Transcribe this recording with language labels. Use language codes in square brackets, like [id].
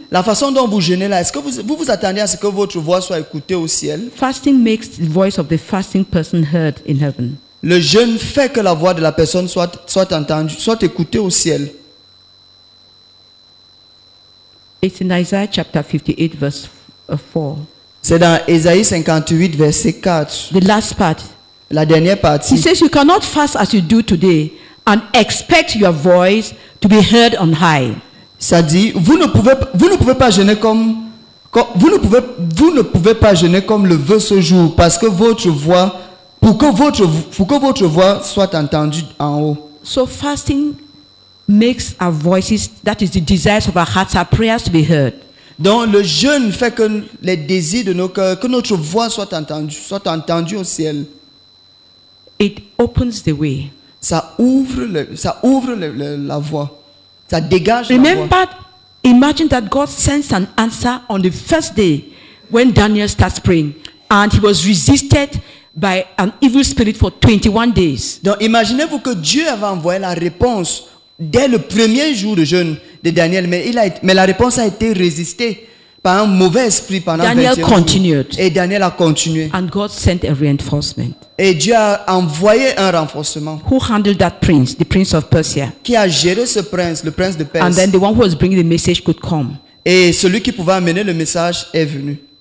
[fr] La façon dont vous jeûnez là, est-ce que vous vous attendez à ce que votre voix soit écoutée au ciel? [en] Fasting makes the voice of the fasting person heard in heaven. [fr] Le jeûne fait que la voix de la personne soit entendue, soit écoutée au ciel. [en] It's in Isaiah chapter 58 verse 4. [fr] C'est dans Ésaïe 58 verset 4. [en] The last part. [fr] La dernière partie. [en] He says you cannot fast as you do today. And expect your voice to be heard on high. [fr] Ça dit, vous ne pouvez pas gêner comme le veut ce jour, parce que votre voix, pour que votre voix soit entendue en haut. [en] So fasting makes our voices, that is the desires of our hearts, our prayers to be heard. [fr] Donc le jeûne fait que les désirs de nos cœurs, que notre voix soit entendue au ciel. [en] It opens the way. [fr] Ça ouvre la voie. Ça dégage. [en] Imagine that God sends an answer on the first day when Daniel starts praying, and he was resisted by an evil spirit for 21 days. [fr] Donc imaginez-vous que Dieu avait envoyé la réponse dès le premier jour de jeûne de Daniel, mais la réponse a été résistée par un mauvais esprit pendant 21 jours. Et Daniel a continué. [en] And God sent a reinforcement. [fr] Et Dieu a envoyé un renforcement. [en] Who handled that prince, the prince of Persia? [fr] Qui a géré ce prince, le prince de Perse? [en] And then the one who was bringing the message could come. [fr] Et celui qui pouvait amener le message est venu.